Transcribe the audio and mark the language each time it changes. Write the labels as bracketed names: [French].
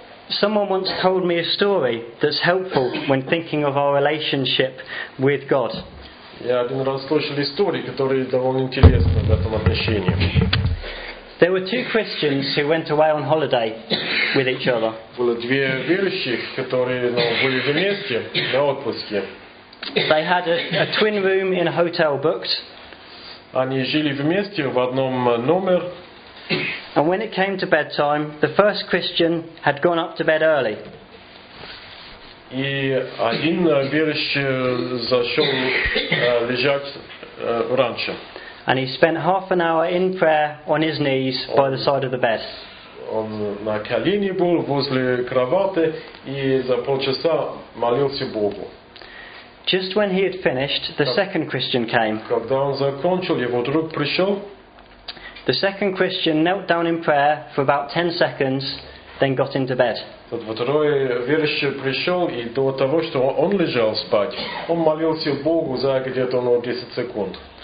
[English] Someone once told me a story that's helpful when thinking of our relationship with God. [Russian] Я один раз слышал историю, которая довольно интересна в этом отношении. [English] There were two Christians who went away on holiday with each other. [Russian] Было две верующих, которые были вместе на отпуске. [English] They had a twin room in a hotel booked. [Russian] Они жили вместе в одном номере. [English] And when it came to bedtime, the first Christian had gone up to bed early. [Russian] И один верующий зашел лежать раньше. [English] And he spent half an hour in prayer on his knees by the side of the bed. [Russian] Он на колени был возле кровати и за полчаса молился Богу. [English] Just when he had finished, the second Christian came. [Russian] Когда он закончил, его друг пришел. [English] The second Christian knelt down in prayer for about 10 seconds, then got into bed. [Russian] Тот второй верующий пришел, и до того, что он лежал спать, он молился Богу за где-то 10 секунд.